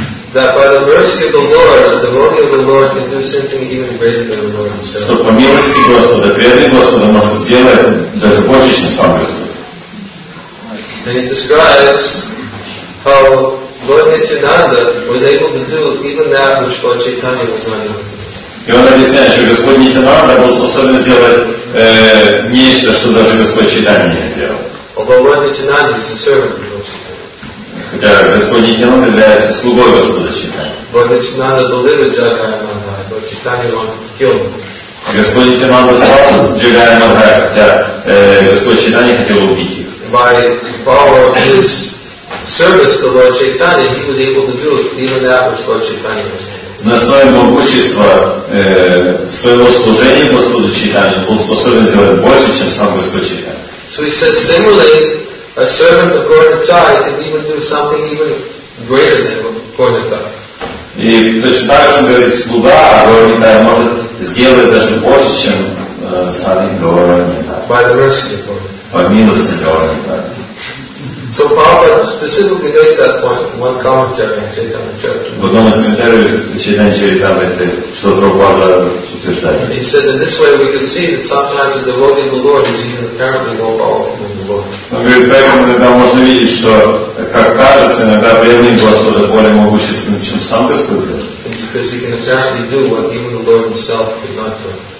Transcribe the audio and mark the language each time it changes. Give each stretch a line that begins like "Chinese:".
English: that by the mercy of the Lord, a devotee of the Lord can do something even greater than the Lord himself.
Russian: Что по милости Господа, преданный Господа может сделать даже больше, чем сам Господь.
English: And he describes how Lord Nityananda was able to do even that which Lord Chaitanya was unable to do.
Russian: И он объясняет, что Господь Нитянанда был способен сделать нечто, что даже Господь Чайтанья не сделал.
English: Although Lord Nityananda is a servant.
Russian: Хотя Господь Нитянанда является слугой Господа Чайтанья. Господь Нитянанда спас Джагая Мадхая, хотя Господь Чайтанья хотел убить их.
English: By the power of his service to Lord Chaitanya, he was able to do even that which Lord Chaitanya was doing.
Russian: На основе могущества своего служения Господу Чайтанья был способен сделать больше, чем сам Господь Чайтанья.
English: So he says similarly, a servant of Gaura Chai can even do something even greater than Gaura Chai.
Russian: И точно так же, он говорит, слуга Гаура Чай может сделать даже больше, чем сами Гаура Чай.
English: By the mercy of
Russian: Gaura Chai. По милости Гаура Чай.
English: So Prabhupada specifically makes that point in one commentary on Chaitanya Charitamrita.
Russian: В одном из комментариев Chaitanya Charitamrita, что Прабхупада утверждает.
English: He said in this way we can see that sometimes the devotee of the Lord is even apparently more powerful.
Russian: Он говорит, поэтому иногда можно видеть, что, как кажется, иногда преданный Господа более могущественным, чем сам Господь.
English: Because he can apparently do what even the Lord himself could not do.